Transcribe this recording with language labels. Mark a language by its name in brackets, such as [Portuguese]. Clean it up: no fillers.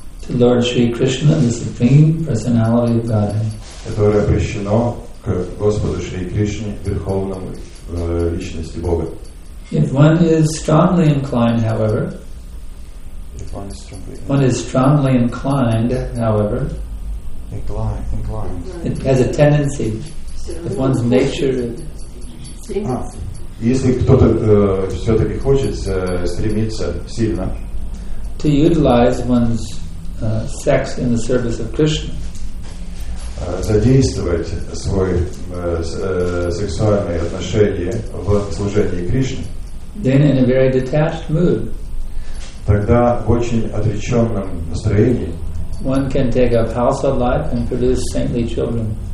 [English] To Lord Sri Krishna, the Supreme Personality of Godhead. [Russian] Которое обращено к Господу Шри Кришне, Верховному Личности Бога. [English] If one is strongly inclined, however, inclined. It has a tendency. If one's nature. [Russian] Если кто-то все-таки хочет стремиться сильно. [English] To utilize one's sex in the service of Krishna. [Russian] Задействовать свои сексуальные отношения в служении Кришне. [English] Then in a very detached mood, [Russian] тогда в очень отреченном настроении, [English] one can take up household life and produce saintly children.